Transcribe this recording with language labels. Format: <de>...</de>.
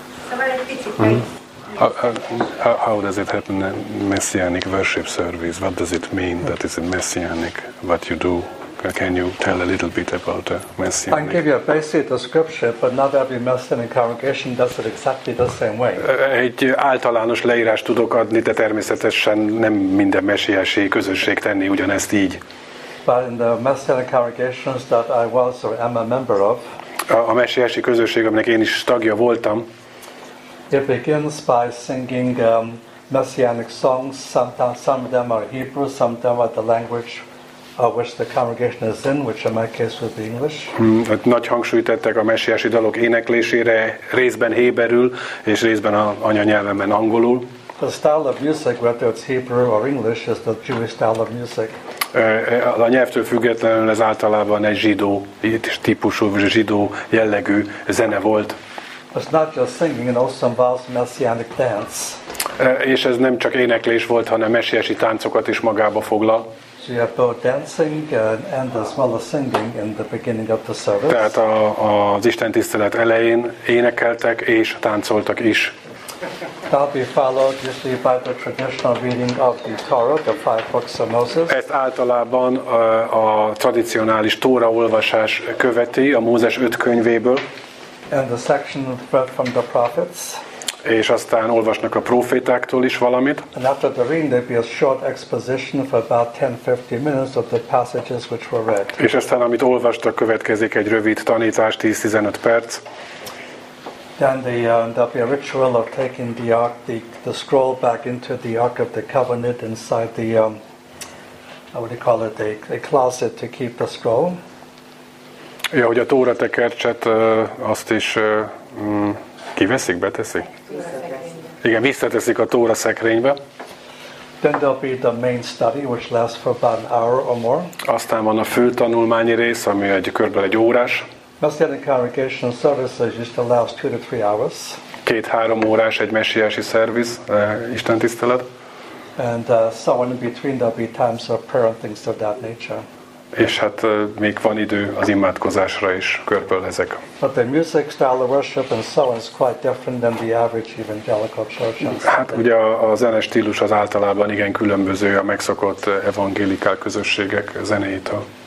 <en>How does it happen, a messianic worship service? What does it mean that it's a messianic, what you do? Can you tell a little bit about a messianic? I can give you a basic description, but not every messianic congregation does it exactly the same way.</en> <hu>Egy általános leírást tudok adni, de természetesen nem minden messiási közösség tenni ugyanezt így.</hu> <en>But in the messianic congregations that I was or am a member of,</en> <hu>a messiási közösség, aminek én is tagja voltam,</hu> <en>it begins by singing messianic songs. Some of them are Hebrew, some of them are the language which the congregation is in, which in my case would be English.</en> <hu>Nagy hangsúlyt tettek a messiási dalok éneklésére, részben héberül, és részben a anyanyelvemen angolul.</hu> <en>The style of music, whether it's Hebrew or English, is the Jewish style of music.</en> <hu>A nyelvtől függetlenül ez általában egy zsidó típusú, zsidó jellegű zene volt.</hu> <en>It's not just singing, it also involves messianic dance.</en> <hu>És ez nem csak éneklés volt, hanem messiási táncokat is magába foglal.</hu> <en>So you have both dancing and as well as singing in the beginning of the service.</en> <hu>Tehát az istentisztelet elején énekeltek és táncoltak is.</hu> <en>That'll be followed usually by the traditional reading of the Torah, the five books of Moses.</en> <hu>Ez általában a tradicionális Tóra olvasás követi, a Mózes öt könyvéből.</hu> <en>And the section read from the prophets.</en> <hu>És aztán olvasnak a prófétáktól is valamit.</hu> <en>And after the reading, there'd be a short exposition for about 10-15 minutes of the passages which were read.</en> <hu>És aztán, amit olvastak, következik egy rövid tanítás, 10-15 perc.</hu> <en>Then there'll be a ritual of taking the ark, the scroll back into the ark of the covenant inside the, a closet to keep the scroll.</en> <hu>Ja, hogy a Tóra tekercset azt is kiveszik, beteszik? Igen, visszateszik a Tóra szekrénybe.</hu> <en>Then there'll be the main study, which lasts for about an hour or more.</en> <hu>Aztán van a fő tanulmányi rész, ami egy körülbelül egy órás.</hu> <en>Messianic congregational services just last 2-3 hours.</en> <hu>2-3 órás egy messiási szerviz, istentisztelet.</hu> <en>And somewhere in between there'll be times of prayer and things of that nature.</en> <hu>És hát még van idő az imádkozásra is, körből ezek.</hu> <en>But the music style of worship and so on is quite different than the average evangelical church.</en> <hu>Hát ugye a zene stílus az általában igen különböző a megszokott evangélikál közösségek zenéitől.</hu>